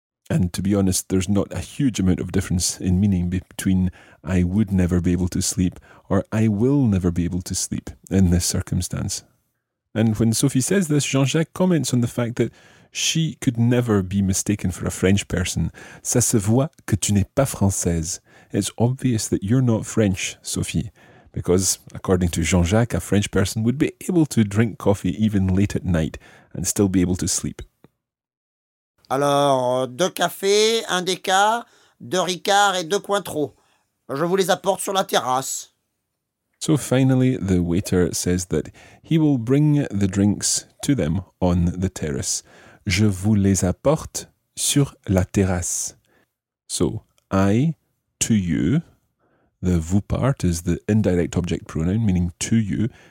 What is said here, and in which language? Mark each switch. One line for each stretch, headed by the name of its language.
English: And to be honest, there's not a huge amount of difference in meaning between I would never be able to sleep or I will never be able to sleep in this circumstance. And when Sophie says this, Jean-Jacques comments on the fact that she could never be mistaken for a French person.
French: Ça se voit que tu n'es pas française.
English: It's obvious that you're not French, Sophie. Because, according to Jean-Jacques, a French person would be able to drink coffee even late at night and still be able to sleep.
French: Alors, deux cafés, un déca, deux Ricard et deux Cointreau. Je vous les apporte sur la terrasse.
English: So finally, the waiter says that he will bring the drinks to them on the terrace.
French: je vous les apporte sur la terrasse.
English: So, I, to you, the vous part is the indirect object pronoun, meaning to you.